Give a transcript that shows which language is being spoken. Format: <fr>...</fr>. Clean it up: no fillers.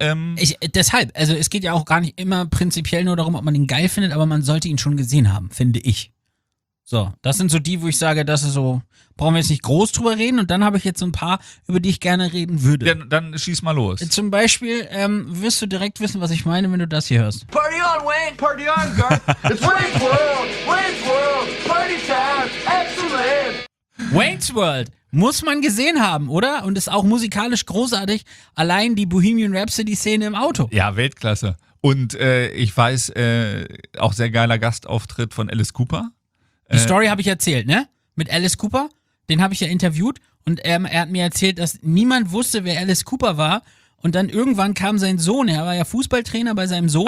<de>Also es geht ja auch gar nicht immer prinzipiell nur darum, ob man ihn geil findet, aber man sollte ihn schon gesehen haben, finde ich. So, das sind so die, wo ich sage, das ist so, brauchen wir jetzt nicht groß drüber reden. Und dann habe ich jetzt so ein paar, über die ich gerne reden würde. Ja, dann schieß mal los. Zum Beispiel wirst du direkt wissen, was ich meine, wenn du das hier hörst.</de> <en>Party on, Wayne, party on, girl. It's Wayne's World, Wayne's World, party time, excellent.</en> <de>Wayne's World muss man gesehen haben, oder? Und ist auch musikalisch großartig. Allein die Bohemian Rhapsody-Szene im Auto. Ja, Weltklasse. Und ich weiß, auch sehr geiler Gastauftritt von Alice Cooper. Die Story habe ich erzählt, ne? Mit Alice Cooper, den habe ich ja interviewt und er hat mir erzählt, dass niemand wusste, wer Alice Cooper war und dann irgendwann kam sein Sohn, er war ja Fußballtrainer bei seinem Sohn.</de>